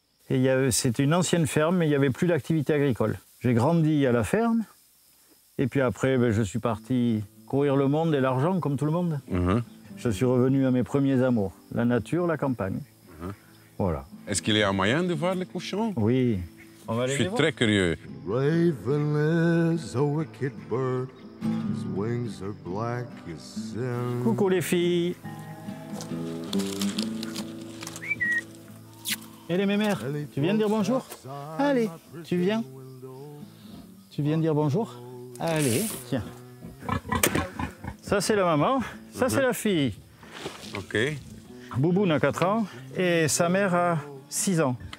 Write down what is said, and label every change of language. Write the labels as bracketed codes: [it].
[fr] Et c'est une ancienne ferme, mais il n'y avait plus d'activité agricole. J'ai grandi à la ferme, et puis après, ben, je suis parti courir le monde et l'argent, comme tout le monde. Mmh. Je suis revenu à mes premiers amours, la nature, la campagne. Mmh. Voilà. Est-ce qu'il y a moyen de voir les cochons ? Oui. On va aller très curieux. [en] Raven is a wicked bird, his wings are black as sin. [fr] Coucou les filles. Et les mémères, tu viens de dire bonjour ? Allez, tu viens. Tu viens dire bonjour ? Allez, tiens. Ça, c'est la maman. Ça, mm-hmm. C'est la fille. OK. Bouboune a 4 ans et sa mère a 6 ans.